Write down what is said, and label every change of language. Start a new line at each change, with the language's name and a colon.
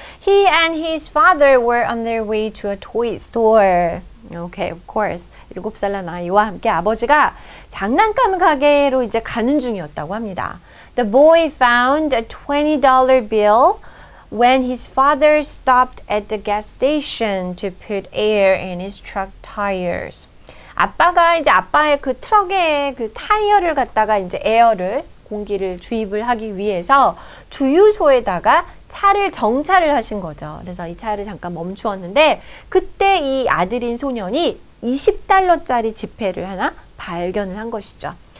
English: He and his father were on their way to a toy store. Okay, of course.
Korean: 7살 난 아이와 함께 아버지가 장난감 가게로 이제 가는 중이었다고 합니다.
English: The boy found a $20 bill when his father stopped at the gas station to put air in his truck tires.
Korean: 아빠가 이제 아빠의 그 트럭에 그 타이어를 갖다가 이제 에어를 공기를 주입을 하기 위해서 주유소에다가 차를 정차를 하신 거죠. 그래서 이 차를 잠깐 멈추었는데 그때 이 아들인 소년이 20달러짜리 지폐를 하나 발견을 한 것이죠.